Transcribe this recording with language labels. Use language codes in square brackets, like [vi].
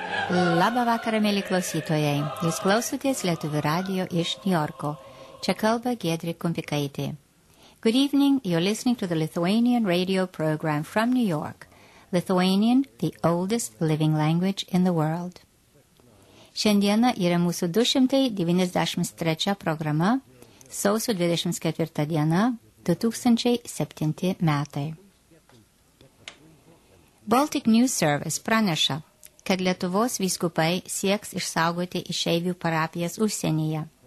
[lt] Labą vakarą, mėly klausytojai. Jūs klausotės Lietuvių radijo iš Niujorko. Čia kalba Giedrė Kumpikaitė. [en] Good evening. You're listening to the Lithuanian radio program from New York. Lithuanian, the oldest living language in the world. [lt] Šiandiena yra mūsų 293 programa, sausio 24 diena, 2007 metai. Baltic News Service praneša, kad Lietuvos vyskupai sieks išsaugoti išeivių parapijas užsienyje.